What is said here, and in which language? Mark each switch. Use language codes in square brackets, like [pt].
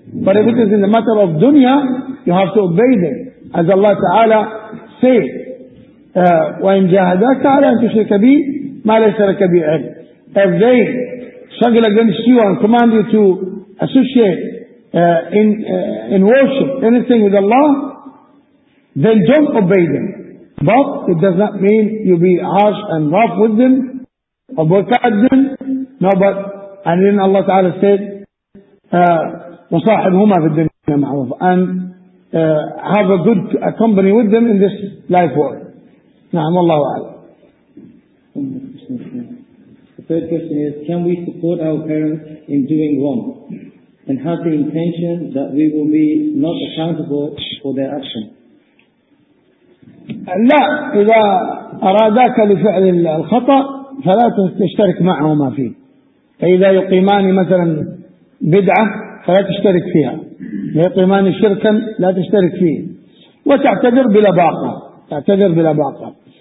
[en] But if it is in the matter of dunya, you have to obey them. As Allah Ta'ala said, [ar] وَإِنْ جَاهَدَاكَ تَعَلَىٰ أَنْ تُشْرِكَ بِي مَا لَيْسَ لَكَ بِي عِلْمٍ. [en] If they struggle against you and command you to associate in worship anything with Allah, then don't obey them. But it does not mean you be harsh and rough with them or boycott them. No, but and then Allah Ta'ala said [ar] وَصَاحِبْهُمَا فِي الدِّنْيَا مَعْرُوفًا [en] and have a good company with them in this life world. [ar] نعم الله أعلم. [en] The third question is, can we support our parents in doing wrong and have the intention that we will be not accountable for their actions? [ar] لا, إذا أراداك لفعل الخطأ فلا تشترك معهما فيه. فإذا يقيمان مثلا بدعة فلا تشترك فيها, يقيمان شركا لا تشترك فيه, وتعتذر بلا باقة, تعتذر بلا باقة.